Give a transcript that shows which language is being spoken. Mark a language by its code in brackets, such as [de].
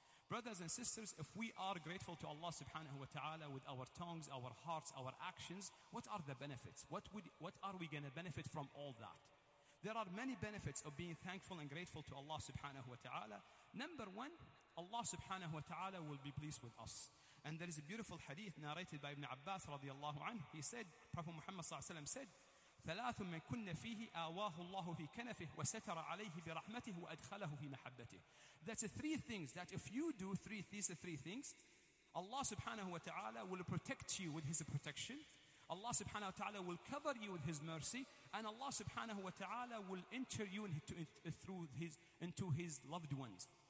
[en] Brothers and sisters, if we are grateful to Allah subhanahu wa ta'ala with our tongues, our hearts, our actions, what are the benefits? What are we going to benefit from all that? There are many benefits of being thankful and grateful to Allah subhanahu wa ta'ala. Number one, Allah subhanahu wa ta'ala will be pleased with us. And there is a beautiful hadith narrated by Ibn Abbas radiallahu anhu. He said, Prophet Muhammad sallallahu alayhi wa sallam said, [ar] ثَلَاثٌ مَنْ كُنَّ فِيهِ آوَاهُ اللَّهُ فِي كَنَفِهِ وَسَتَرَ عَلَيْهِ بِرَحْمَتِهِ وَأَدْخَلَهُ فِي مَحَبَّتِهِ. [en] That's the three things that if you do these three things, Allah subhanahu wa ta'ala will protect you with His protection. Allah subhanahu wa ta'ala will cover you with His mercy, and Allah subhanahu wa ta'ala will enter you into His loved ones.